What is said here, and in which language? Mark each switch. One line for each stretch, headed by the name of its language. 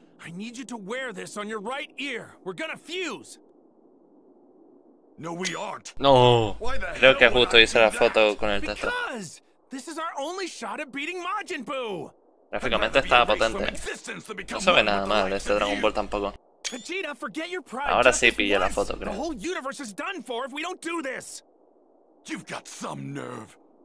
English: I need you to wear this on your right ear. We're gonna fuse. No, we aren't. No.
Spanish: Creo que justo hice la foto con el tatu.
English: Because this is our only shot at beating Majin Buu.
Spanish: Gráficamente estaba potente. No se ve nada mal este Dragon Ball tampoco.
English: Vegeta, forget your pride.
Spanish: Ahora sí pillé la foto, creo.
English: The whole universe is done for if we don't do this. You've got some nerve.